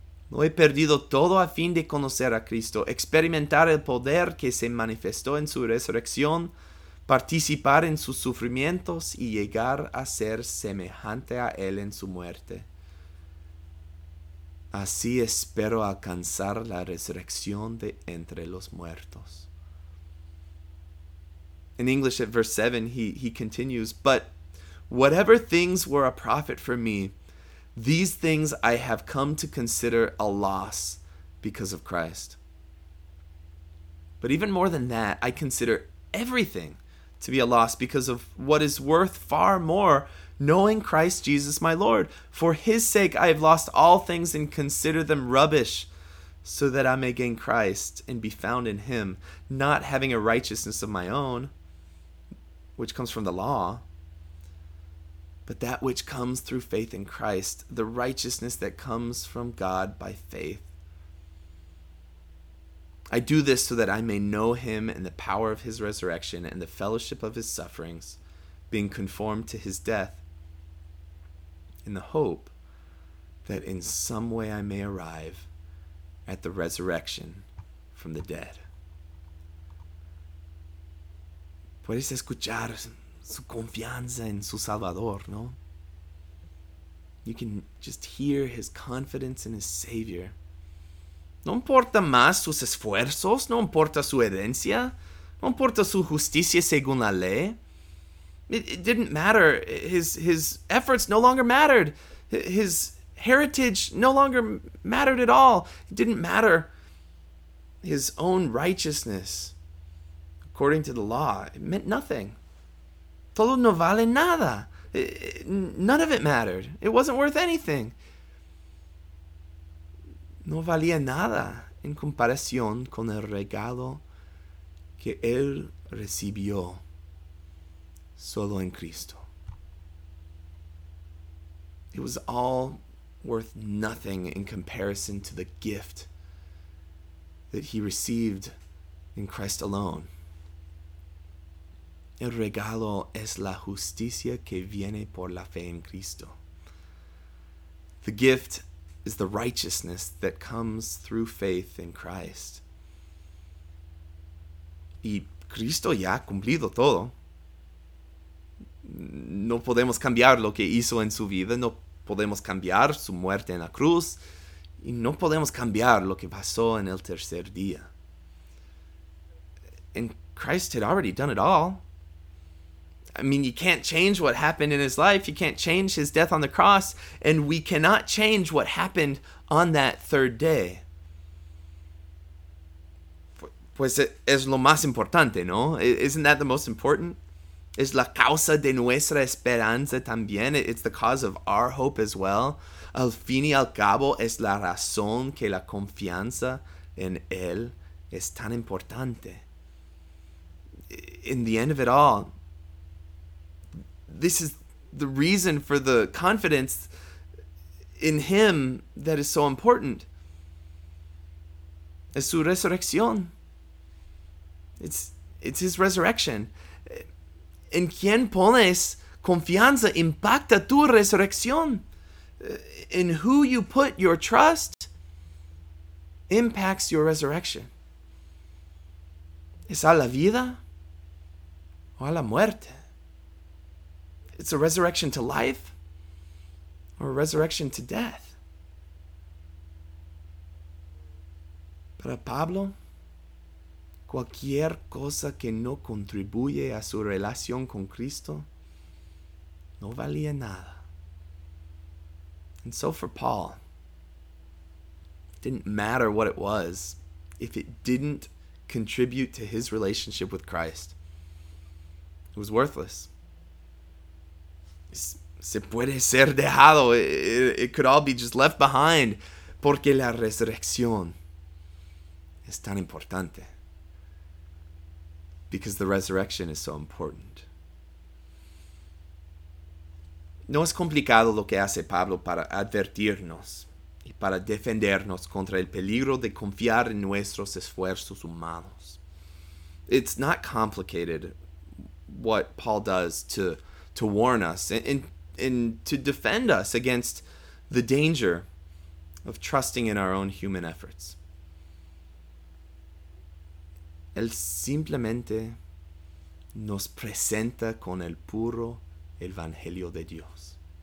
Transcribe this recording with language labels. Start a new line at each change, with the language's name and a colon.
Spanish: Lo he perdido todo a fin de conocer a Cristo, experimentar el poder que se manifestó en su resurrección, participar en sus sufrimientos y llegar a ser semejante a Él en su muerte. Así espero alcanzar la resurrección de entre los muertos.
English: In English at verse 7, he continues, but whatever things were a profit for me, these things I have come to consider a loss because of Christ. But even more than that, I consider everything to be a loss because of what is worth far more, knowing Christ Jesus my Lord. For his sake, I have lost all things and consider them rubbish, so that I may gain Christ and be found in him, not having a righteousness of my own, which comes from the law, but that which comes through faith in Christ, the righteousness that comes from God by faith. I do this so that I may know him and the power of his resurrection and the fellowship of his sufferings, being conformed to his death, in the hope that in some way I may arrive at the resurrection from the dead.
Spanish: Puedes escuchar su confianza en su Salvador, ¿no?
English: You can just hear his confidence in his Savior.
Spanish: No importa más sus esfuerzos, no importa su herencia, no importa su justicia según la ley.
English: It didn't matter. His efforts no longer mattered. His heritage no longer mattered at all. It didn't matter. His own righteousness, according to the law, it meant nothing.
Spanish: Todo no vale nada.
English: None of it mattered. It wasn't worth anything.
Spanish: No valía nada en comparación con el regalo que él recibió solo en Cristo.
English: It was all worth nothing in comparison to the gift that he received in Christ alone.
Spanish: El regalo es la justicia que viene por la fe en Cristo.
English: The gift is the righteousness that comes through faith in Christ.
Spanish: Y Cristo ya ha cumplido todo. No podemos cambiar lo que hizo en su vida, no podemos cambiar su muerte en la cruz, y no podemos cambiar lo que pasó en el tercer día.
English: And Christ had already done it all. I mean, you can't change what happened in his life. You can't change his death on the cross. And we cannot change what happened on that third day.
Spanish: Pues es lo más importante, ¿no?
English: Isn't that the most important?
Spanish: Es la causa de nuestra esperanza también.
English: It's the cause of our hope as well.
Spanish: Al fin y al cabo, es la razón que la confianza en él es tan importante.
English: In the end of it all, this is the reason for the confidence in him that is so important.
Spanish: Es su resurrección.
English: It's his resurrection.
Spanish: En quien pones confianza impacta tu resurrección.
English: In who you put your trust impacts your resurrection.
Spanish: ¿Es a la vida o a la muerte?
English: It's a resurrection to life or a resurrection to death.
Spanish: Para Pablo, cualquier cosa que no contribuye a su relación con Cristo no valía nada.
English: And so for Paul, it didn't matter what it was if it didn't contribute to his relationship with Christ. It was worthless.
Spanish: Se puede ser dejado.
English: It could all be just left behind.
Spanish: Porque la resurrección es tan importante.
English: Because the resurrection is so important.
Spanish: No es complicado lo que hace Pablo para advertirnos y para defendernos contra el peligro de confiar en nuestros esfuerzos humanos.
English: It's not complicated what Paul does to warn us and to defend us against the danger of trusting in our own human efforts.
Spanish: Él simplemente nos presenta con el puro evangelio de Dios.